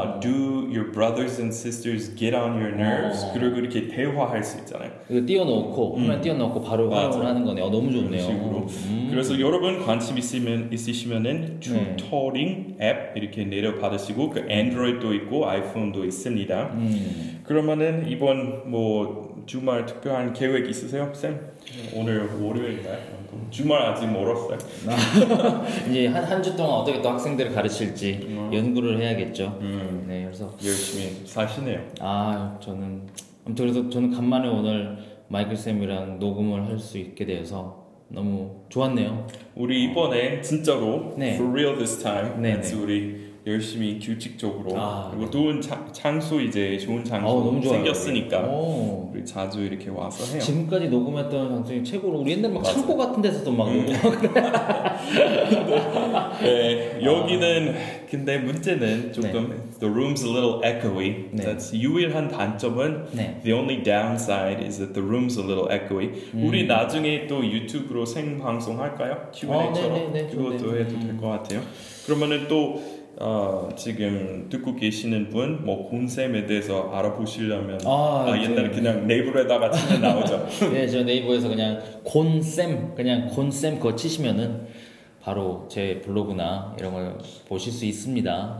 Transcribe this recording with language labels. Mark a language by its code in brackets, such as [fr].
[en] Do your brothers and sisters get on your nerves? [ko] 그리고 이렇게 대화할 수 있잖아요. 이거 띄워놓고 화면 띄워놓고 바로 화면을 하는 거네요. 너무 좋네요. 그래서 여러분 관심 있으시면은 튜터링 앱 이렇게 내려받으시고 그 안드로이드도 있고 아이폰도 있습니다. 그러면은 이번 뭐 주말 특별한 계획 있으세요, 쌤? 오늘 월요일인가요? 주말 아직 멀었어요. 이제 한 주 동안 어떻게 또 학생들을 가르칠지 연구를 해야겠죠. 네, 그래서 열심히 사시네요. 아, 저는 그래서 저는 간만에 오늘 마이클 쌤이랑 녹음을 할 수 있게 되어서 너무 좋았네요. 우리 이번에 진짜로 네. [en] for real this time, [ko] 네, 우리. 열심히 규칙적으로 아, 그리고 좋은 장소 이제 좋은 장소 너무 좋아요, 생겼으니까 여기. 우리 자주 이렇게 와서 해요. 지금까지 녹음했던 장소는 최고로 우리 옛날 막 창고 같은 데서도 막 네, 여기는 근데 문제는 조금 네. [en] The room's a little echoey. [ko] 네. [en] That's [ko] 유일한 단점은 네. [en] The only downside is that the room's a little echoey. [ko] 우리 나중에 또 유튜브로 생방송 할까요? Q&A처럼 네, 네, 네, 그것도 네. 해도 될 것 같아요. 그러면은 또 지금 듣고 계시는 분 뭐 곤쌤에 대해서 알아보시려면 옛날에 네. 그냥 네이버에다가 치면 나오죠. 네, 저 네이버에서 그냥 곤쌤 그냥 곤쌤 그거 치시면은 바로 제 블로그나 이런 걸 보실 수 있습니다.